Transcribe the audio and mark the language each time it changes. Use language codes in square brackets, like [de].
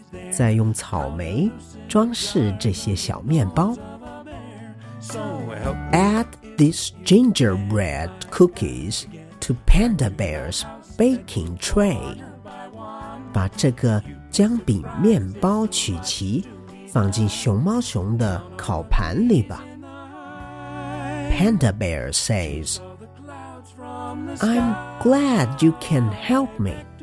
[zh] 再用草莓装饰这些小面包。 [en] Add these gingerbread cookies to Panda Bear's baking tray. [zh] 把这个姜饼面包曲奇放进熊猫熊的烤盘里吧。 [en] Panda Bear says, I'm glad you can help me.